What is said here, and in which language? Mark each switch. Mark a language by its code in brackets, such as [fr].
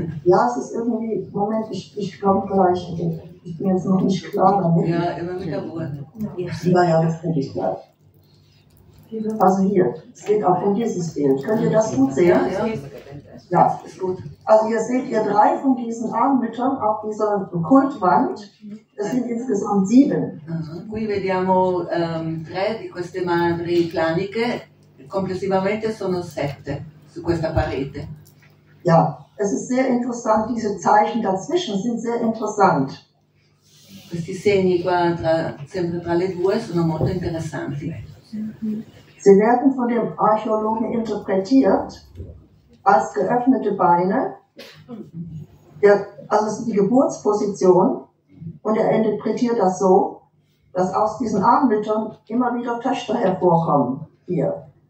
[de] Ja, es ist irgendwie, Moment, ich komme gleich. Ich bin jetzt noch nicht klar damit. Ja, immer mit der Ruhe. Lieber Herr, das finde ich gleich. Also hier, es geht auch um dieses Bild. Könnt ihr das gut sehen? Ja, ja, ist gut. Also hier seht ihr 3 von diesen Armmüttern auf dieser Kultwand. Es sind insgesamt 7. [it] Qui vediamo 3 di queste madri claniche. Complessivamente sono 7 su questa parete. [de] Ja, es ist sehr interessant, diese Zeichen dazwischen sind sehr interessant. [it] Questi segni qua, sempre tra le 2, sono molto interessanti. [de] Sie werden von dem Archäologen interpretiert als geöffnete Beine, also ist die Geburtsposition, und er interpretiert das so, dass aus diesen Armmüttern immer wieder Töchter hervorkommen, hier.